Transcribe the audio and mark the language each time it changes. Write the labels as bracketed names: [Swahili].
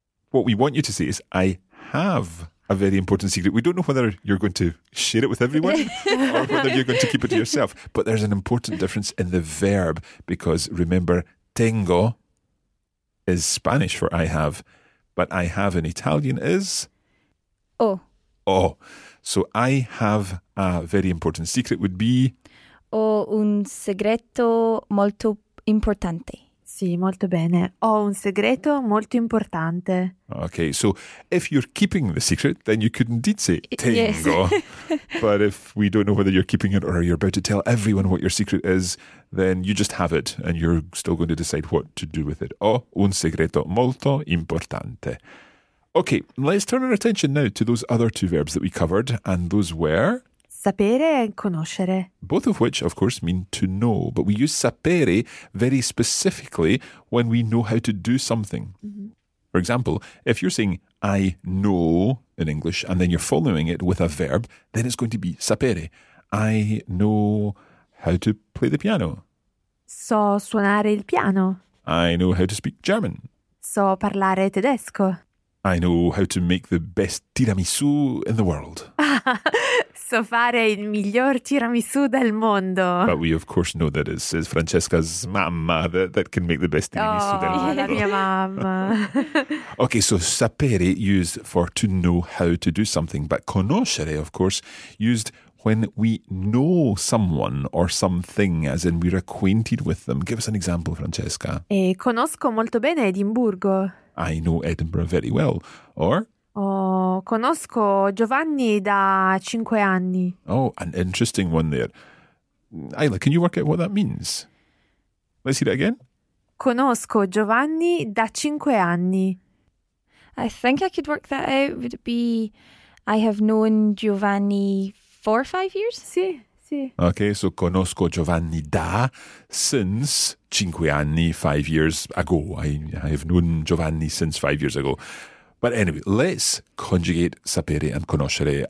[English] What we want you to say is, I have a very important secret. We don't know whether you're going to share it with everyone or whether you're going to keep it to yourself. But there's an important difference in the verb because remember, tengo is Spanish for I have, but I have in Italian is? Oh. Oh. So I have a very important secret would be? [Italian] O un segreto molto importante. Sì, molto bene. Ho un segreto molto importante. [English] Okay, so if you're keeping the secret, then you could indeed say tengo. Yes. But if we don't know whether you're keeping it or you're about to tell everyone what your secret is, then you just have it and you're still going to decide what to do with it. [Italian] Ho un segreto molto importante. [English] Okay, let's turn our attention now to those other two verbs that we covered, and those were? [Italian] Sapere and conoscere. [English] Both of which, of course, mean to know. But we use sapere very specifically when we know how to do something. Mm-hmm. For example, if you're saying I know in English and then you're following it with a verb, then it's going to be sapere. I know how to play the piano. [Italian] So suonare il piano. [English] I know how to speak German. [Italian] So parlare tedesco. [English] I know how to make the best tiramisu in the world. [Italian] So fare il miglior tiramisù del mondo. [English] But we of course know that it's Francesca's mamma that can make the best [Italian] tiramisù del mondo. La mia mamma. [English] Okay, so sapere used for to know how to do something, but conoscere, of course, used when we know someone or something, as in we're acquainted with them. Give us an example, Francesca. [Italian] E conosco molto bene Edimburgo. [English] I know Edinburgh very well. Or? [Italian] Oh, conosco Giovanni da 5 anni. [English] Oh, an interesting one there. Ayla, can you work out what that means? Let's hear it again. [Italian] Conosco Giovanni da 5 anni. [English] I think I could work that out. Would it be, I have known Giovanni 4 or 5 years? [Italian] Sì, sì. [English] Okay, so [Italian] conosco Giovanni da [English] since [Italian] 5 anni, [English] 5 years ago. I have known Giovanni since 5 years ago. But anyway, let's conjugate sapere and conoscere.